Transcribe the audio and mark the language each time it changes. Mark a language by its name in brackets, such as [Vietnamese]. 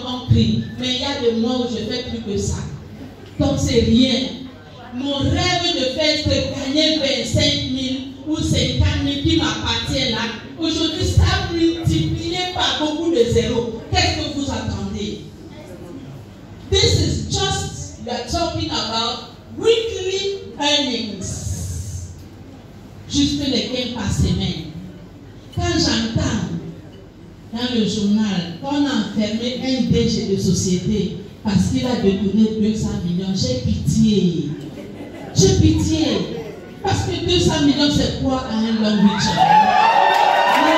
[French] prie. Mais il y a des mois où je ne fais plus que ça. Donc c'est rien. Mon rêve de faire gagner 25 000 ou 50 000 qui m'appartient là, aujourd'hui, ça multiplié par beaucoup de zéros. Qu'est-ce que vous attendez? [English] This is just, we are talking about weekly earnings. [French] Juste les 15 par semaine. Quand j'entends dans le journal qu'on a enfermé un DG de société parce qu'il a détourné 200 millions, j'ai pitié. J'ai pitié. Parce que 200 millions, c'est quoi à un long week-end?